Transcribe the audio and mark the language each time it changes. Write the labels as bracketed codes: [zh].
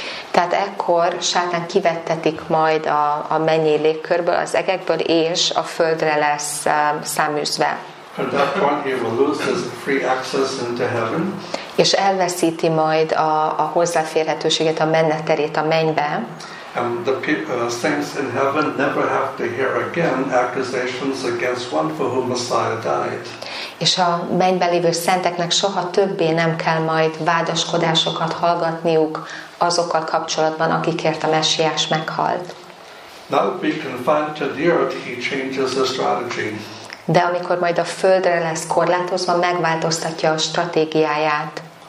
[hu] Tehát ekkor Sátán kivettetik majd a mennyi légkörből, az egekből, és a földre lesz száműzve. [en] At that point he will lose his free access into heaven. [hu] És elveszíti majd a hozzáférhetőséget, a menneterét a mennybe. [en] And the saints in heaven never have to hear again accusations against one for whom Messiah died. [hu] És a mennybe lévő szenteknek soha többé nem kell majd vádaskodásokat hallgatniuk azokkal kapcsolatban, akikért a Messiás meghalt. [en] Now be confined to the earth, he changes his strategy. [hu] De amikor majd a földre lesz korlátozva, megváltoztatja a stratégiáját.